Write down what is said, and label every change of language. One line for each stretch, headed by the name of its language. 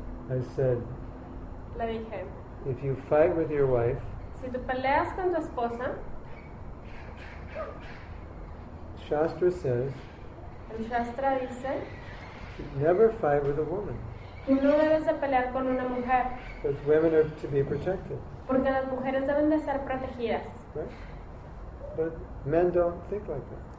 English: I said.
Spanish: Le dije.
English: If you fight with your wife.
Spanish: Si tú peleas con tu esposa.
English: Shastra says,
Spanish: el Shastra dice,
English: never fight with a woman.
Spanish: Tú no debes de pelear con una mujer.
English: Because women are to be protected.
Spanish: Porque las mujeres deben de estar protegidas.
English: Right? But men don't think like that.